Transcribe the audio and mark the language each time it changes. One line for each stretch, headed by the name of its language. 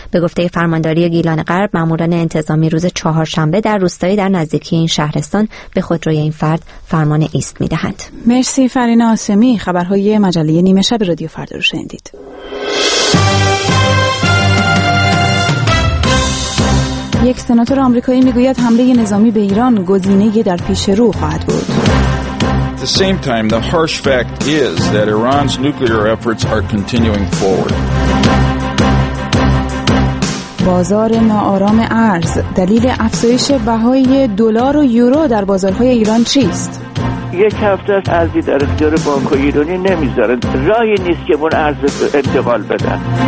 Persian: به گفته فرمانداری گیلان غرب، ماموران انتظامی روز چهارشنبه در روستایی در نزدیکی این شهرستان به خودروی این فرد فرمان ایست می‌دهند. مرسی فرینه آسمی. خبرهای مجله نیمه شب رادیو فردا رو شنیدید. یک سناتور آمریکایی میگوید حمله نظامی به ایران گزینه‌ای در پیش رو خواهد بود.
English: The same time, the harsh fact is that Iran's nuclear efforts are continuing forward.
Persian: بازار ناآرام ارز، دلیل افزایش بهای دلار و یورو در بازارهای ایران چیست؟ یک هفته است ارزی در اختیار بانک ایرانی نمیذارن. راهی نیست که اون ارز انتقال بدن.